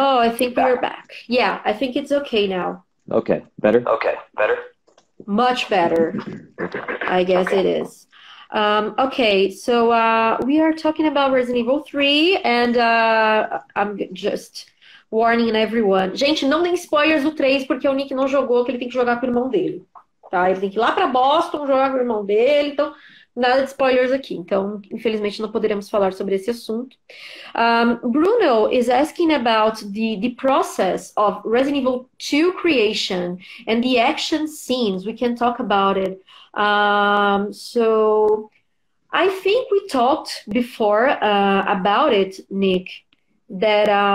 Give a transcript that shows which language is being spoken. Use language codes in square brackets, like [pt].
[en] Oh, I think we're back. Yeah, I think it's okay now. Okay, better? Okay, better? Much better, I guess it is. Okay, so we are talking about Resident Evil 3, and I'm just warning everyone. [pt] Gente, não tem spoilers do 3, porque o Nick não jogou, que ele tem que jogar com o irmão dele. Tá? Ele tem que ir lá pra Boston, jogar com o irmão dele, então... Nada de spoilers aqui, então, infelizmente, não poderemos falar sobre esse assunto. [en] Bruno is asking about the process of Resident Evil 2 creation and the action scenes. We can talk about it. So, I think we talked before about it, Nick, that...